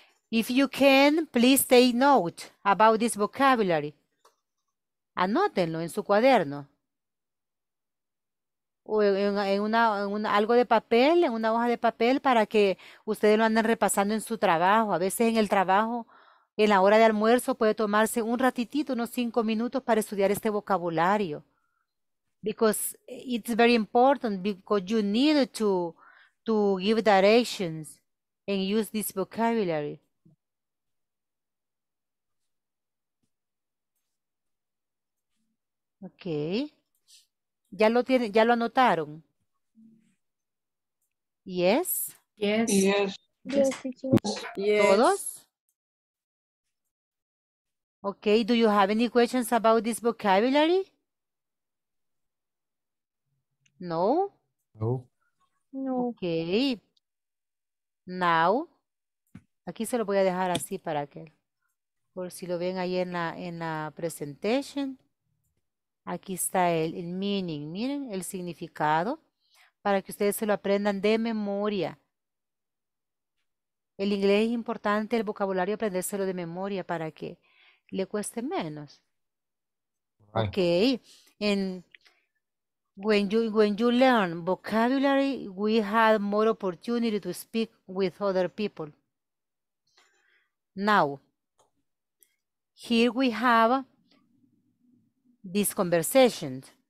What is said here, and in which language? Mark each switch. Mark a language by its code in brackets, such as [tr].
[en] If you can, please take note about this vocabulary. [es] Anótenlo en su cuaderno. O en una algo de papel, en una hoja de papel para que ustedes lo anden repasando en su trabajo. A veces en el trabajo, en la hora de almuerzo puede tomarse un ratitito, unos 5 minutos para estudiar este vocabulario. [en] Because it's very important, because you need to give directions and use this vocabulary. [es] Okay. ¿Ya lo tienen, ya lo anotaron? [en] Yes. Yes. Yes. Yes. [es] ¿Todos? [en] Okay, do you have any questions about this vocabulary? No? No. No. Okay. [es] Now, aquí se lo voy a dejar así para que, por si lo ven ahí en la presentation. Aquí está el meaning, miren, el significado, para que ustedes se lo aprendan de memoria. El inglés es importante, el vocabulario, aprendérselo de memoria para que le cueste menos. [en] Okay. And when you learn vocabulary, we have more opportunity to speak with other people. Now, Here we have this conversation.